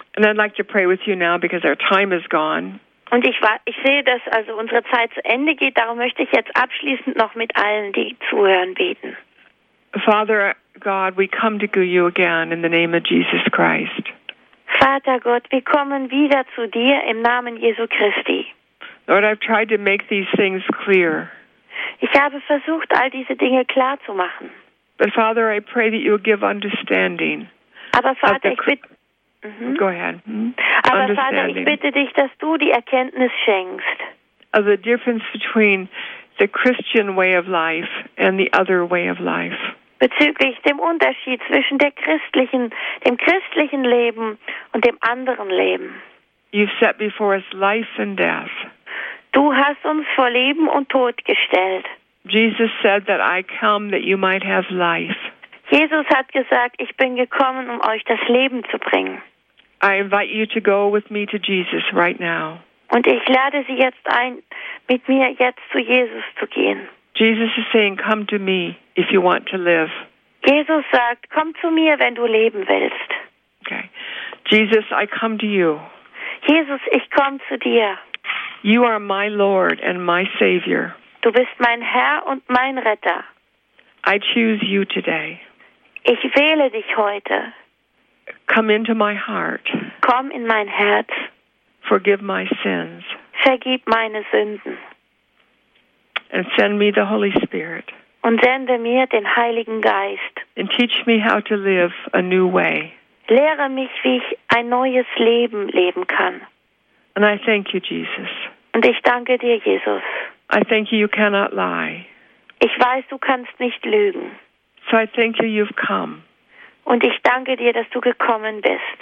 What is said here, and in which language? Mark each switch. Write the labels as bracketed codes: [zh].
[en] And I'd like to pray with you now because our time is gone. [de] Und ich sehe, dass also unsere Zeit zu Ende geht. Darum möchte ich jetzt abschließend noch mit allen, die zuhören, beten. [en] Father God, we come to you again in the name of Jesus Christ. [de] Vater Gott, wir kommen wieder zu dir im Namen Jesu Christi. [en] Lord, I've tried to make these things clear. [de] Ich habe versucht, all diese Dinge klar zu machen. [en] But Father, I pray that you give understanding. [de] Aber Vater, ich bitte. [en] Go ahead. [de] Aber Vater, ich bitte dich, dass du die Erkenntnis schenkst. [en] Of the difference between the Christian way of life and the other way of life. [de] Bezüglich dem Unterschied zwischen dem christlichen Leben und dem anderen Leben. [en] You've set before us life and death. [de] Du hast uns vor Leben und Tod gestellt. [en] Jesus said that I come that you might have life. [de] Jesus hat gesagt, ich bin gekommen, um euch das Leben zu bringen. [en] I invite you to go with me to Jesus right now. [de] Und ich lade Sie jetzt ein, mit mir jetzt zu Jesus zu gehen. [en] Jesus is saying, come to me if you want to live. [de] Jesus sagt, komm zu mir, wenn du leben willst. [en] Okay. Jesus, I come to you. [de] Jesus, ich komme zu dir. [en] You are my Lord and my Savior. [de] Du bist mein Herr und mein Retter. [en] I choose you today. [de] Ich wähle dich heute. [en] Come into my heart. [de] Komm in mein Herz. [en] Forgive my sins. [de] Vergib meine Sünden. [en] And send me the Holy Spirit. [de] Und sende mir den Heiligen Geist. [en] And teach me how to live a new way. [de] Lehre mich, wie ich ein neues Leben leben kann. [en] And I thank you, Jesus. [de] Und ich danke dir, Jesus. [en] I thank you, you cannot lie. [de] Ich weiß, du kannst nicht lügen. [en] So I thank you, you've come. [de] Und ich danke dir, dass du gekommen bist.